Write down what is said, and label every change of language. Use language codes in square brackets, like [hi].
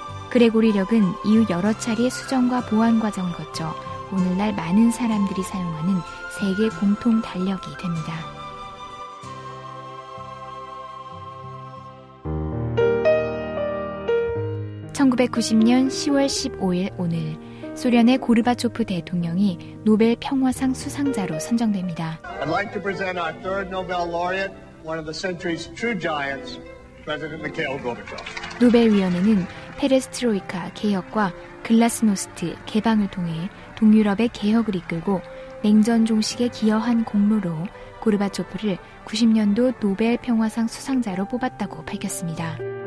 [ko] 그레고리력은 이후 여러 차례 수정과 보완 과정을 거쳐 오늘날 많은 사람들이 사용하는 세계 공통 달력이 됩니다. 1990년 10월 15일 오늘 소련의 고르바초프 대통령이 노벨 평화상 수상자로 선정됩니다. [en] I'd like to present our third Nobel laureate, one of the century's true giants, President Mikhail Gorbachev. [ko] 노벨 위원회는 페레스트로이카 개혁과 글라스노스트 개방을 통해 동유럽의 개혁을 이끌고 냉전 종식에 기여한 공로로 고르바초프를 90년도 노벨 평화상 수상자로 뽑았다고 밝혔습니다.